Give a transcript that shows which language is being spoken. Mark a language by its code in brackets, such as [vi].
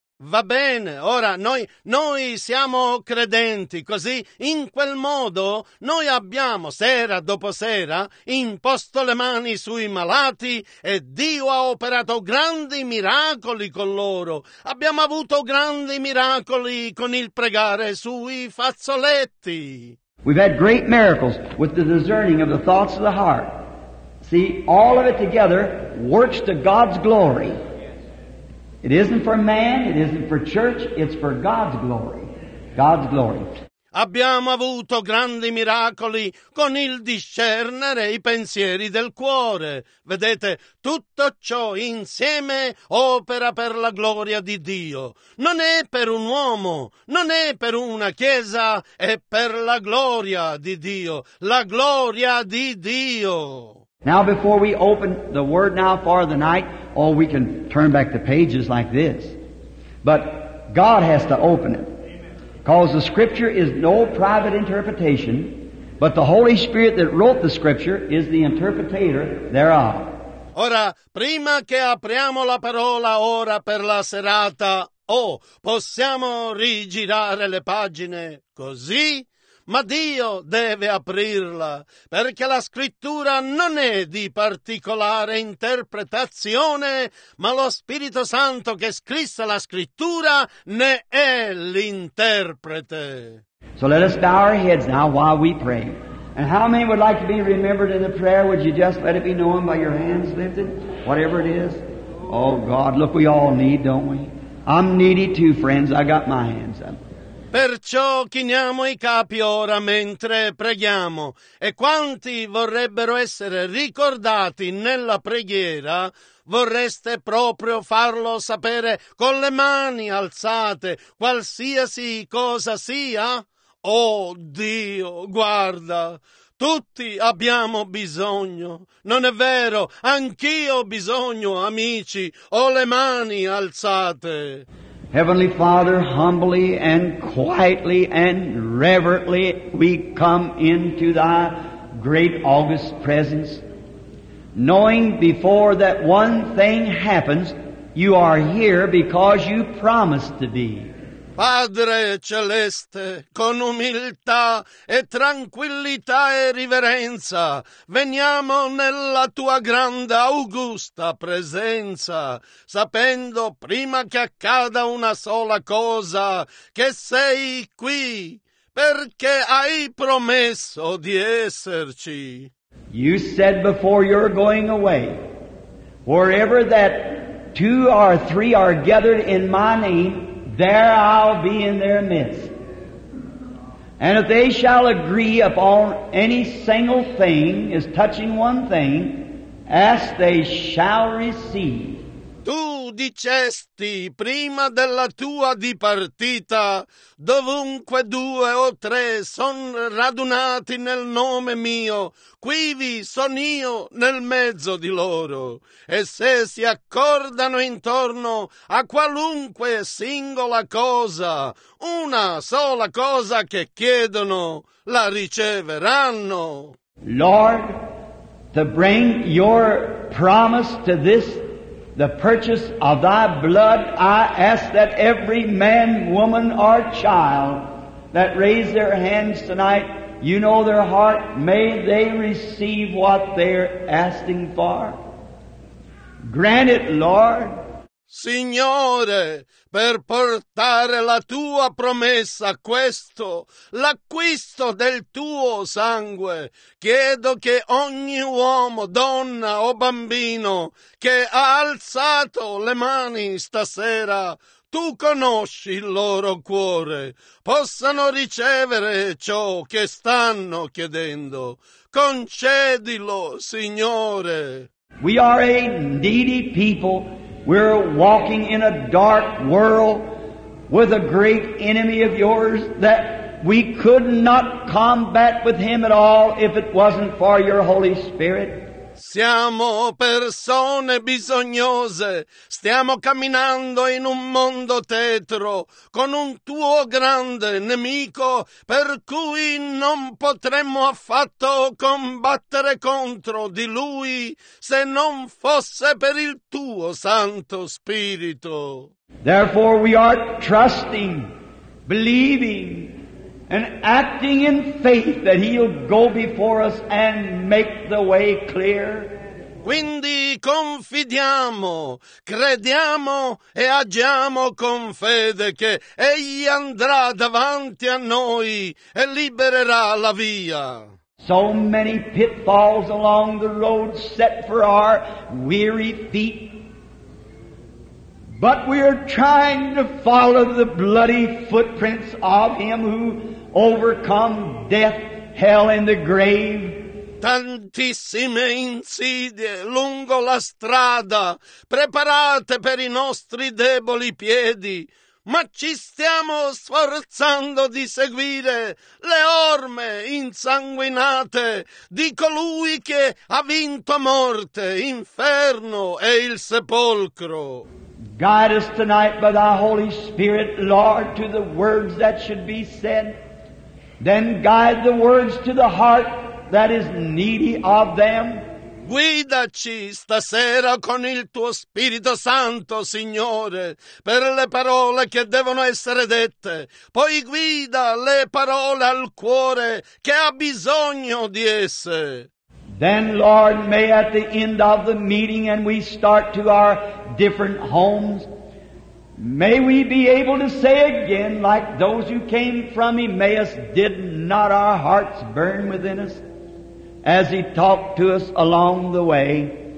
[it] Va bene, ora noi siamo credenti, così in quel modo noi abbiamo sera dopo sera imposto le mani sui malati e Dio ha operato grandi miracoli con loro. Abbiamo avuto grandi miracoli con il pregare sui fazzoletti. [en] We've had great miracles with the discerning of the thoughts of the heart. See, all of it together works to God's glory. It isn't for man, it isn't for church, it's for God's glory. God's glory. [it] Abbiamo avuto grandi miracoli con il discernere i pensieri del cuore. Vedete, tutto ciò insieme opera per la gloria di Dio. Non è per un uomo, non è per una chiesa, è per la gloria di Dio. La gloria di Dio. [en] Now before we open the Word now for the night, oh, we can turn back the pages like this. But God has to open it. Because the Scripture is no private interpretation, but the Holy Spirit that wrote the Scripture is the interpretator thereof. [it] Ora, prima che apriamo la parola ora per la serata, oh, possiamo rigirare le pagine così? Ma Dio deve aprirla, perché la Scrittura non è di particolare interpretazione, ma lo Spirito Santo che scrisse la Scrittura ne è l'interprete. [en] So let us bow our heads now while we pray. And how many would like to be remembered in the prayer? Would you just let it be known by your hands lifted? Whatever it is. Oh God, look, we all need, don't we? I'm needy too, friends. I got my hands up. [it] Perciò chiniamo i capi ora mentre preghiamo, e quanti vorrebbero essere ricordati nella preghiera, vorreste proprio farlo sapere con le mani alzate, qualsiasi cosa sia? Oh Dio, guarda, tutti abbiamo bisogno, non è vero? Anch'io ho bisogno, amici, ho le mani alzate. [en] Heavenly Father, humbly and quietly and reverently we come into thy great august presence, knowing before that one thing happens, you are here because you promised to be. [it] Padre celeste, con umiltà e tranquillità e riverenza, veniamo nella tua grande augusta presenza, sapendo prima che accada una sola cosa, che sei qui, perché hai promesso di esserci. [en] You said before you're going away, wherever that two or three are gathered in my name, there I'll be in their midst. And if they shall agree upon any single thing, is touching one thing, as they shall receive. [it] Tu dicesti prima della tua dipartita, dovunque due o tre son radunati nel nome mio, quivi son io nel mezzo di loro, e se si accordano intorno a qualunque singola cosa, una sola cosa che chiedono, la riceveranno. [en] Lord, to bring your promise to this, the purchase of thy blood, I ask that every man, woman, or child that raise their hands tonight, you know their heart, may they receive what they're asking for. Grant it, Lord. [it] Signore, per portare la tua promessa a questo, l'acquisto del tuo sangue, chiedo che ogni uomo, donna o bambino che ha alzato le mani stasera, tu conosci il loro cuore, possano ricevere ciò che stanno chiedendo. Concedilo, Signore. [en] We are a needy people. We're walking in a dark world with a great enemy of yours that we could not combat with him at all if it wasn't for your Holy Spirit. [it] Siamo persone bisognose, stiamo camminando in un mondo tetro con un tuo grande nemico per cui non potremmo affatto combattere contro di lui se non fosse per il tuo Santo Spirito. [en] Therefore we are trusting, believing, and acting in faith that he'll go before us and make the way clear. [it] Quindi confidiamo, crediamo e agiamo con fede che egli andrà davanti a noi e libererà la via. [en] So many pitfalls along the road set for our weary feet. But we are trying to follow the bloody footprints of him who overcome death, hell, and the grave. [it] Tantissime insidie lungo la strada, preparate per i nostri deboli piedi, ma ci stiamo sforzando di seguire le orme insanguinate di colui che ha vinto morte, inferno e il sepolcro. [en] Guide us tonight by thy Holy Spirit, Lord, to the words that should be said. Then guide the words to the heart that is needy of them. [it] Guidaci stasera con il tuo Spirito Santo, Signore, per le parole che devono essere dette. Poi guida le parole al cuore che ha bisogno di esse. [en] Then, Lord, may at the end of the meeting and we start to our different homes, may we be able to say again, like those who came from Emmaus, did not our hearts burn within us as he talked to us along the way?